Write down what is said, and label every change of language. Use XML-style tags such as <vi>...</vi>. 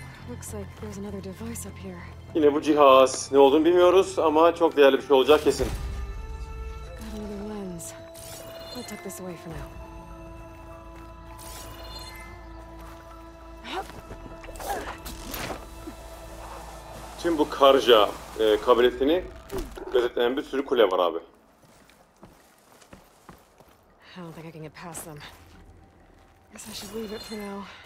<en>Looks like there's another device up here.</en> <tr>Yine bu cihaz. Ne olduğunu bilmiyoruz ama çok değerli bir şey olacak kesin.</tr> <en>Got another lens. I'll tuck this away for now.</en> <tr>Tüm bu karja kabiletini gözetleyen bir sürü kule var abi.</tr> <en>I don't think I can get past them. Guess I should leave it for now.</en>